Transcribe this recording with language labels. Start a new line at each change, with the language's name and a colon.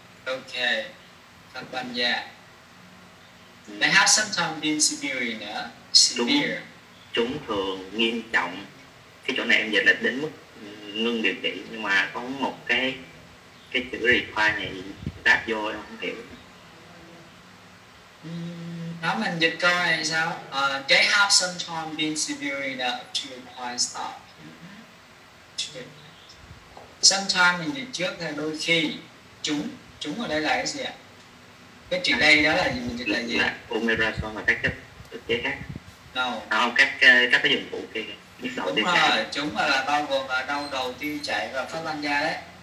English: Ok,
Vietnamese: phát ban da.
English: They have sometimes been severe, nữa. Severe.
Vietnamese: Chúng thường nghiêm trọng. Cái chỗ này em dịch là đến mức ngưng điều trị. Nhưng mà có một cái chữ require này đáp vô em không hiểu. Đó mình dịch câu này sao?
English: They have sometimes been severe enough to require stop.
Vietnamese: Sometimes mình dịch trước là đôi khi. Chúng ở đây là cái gì ạ? Cái chuyện đây đó là gì? Mình dịch là gì? Omeprazole và các chất ức chế khác.
English: No.
Vietnamese: Không, các cái dụng cụ kia. Đúng rồi, chúng là bao gồm là đau đầu, tiêu chảy và phát ban da đấy.